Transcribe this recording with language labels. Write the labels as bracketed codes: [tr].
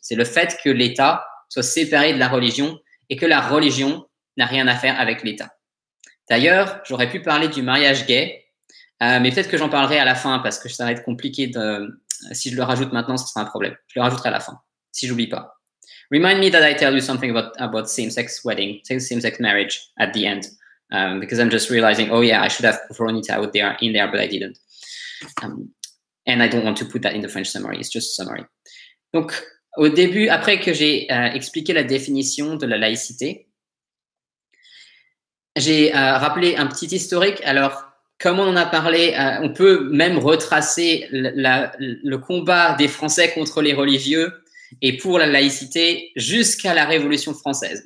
[fr] C'est le fait que l'État soit séparé de la religion et que la religion n'a rien à faire avec l'État. D'ailleurs, j'aurais pu parler du mariage gay, mais peut-être que j'en parlerai à la fin parce que ça va être compliqué. Si je le rajoute maintenant, ce sera un problème. Je le rajouterai à la fin, si je n'oublie pas. [en] Remind me that I tell you something about same-sex wedding, same-sex marriage at the end, because I'm just realizing, oh yeah, I should have thrown it out there, in there, but I didn't. And I don't want to put that in the French summary, it's just a summary. [fr] Donc, au début, après que j'ai expliqué la définition de la laïcité, j'ai rappelé un petit historique. Alors, comme on en a parlé, on peut même retracer le combat des Français contre les religieux et pour la laïcité jusqu'à la Révolution française.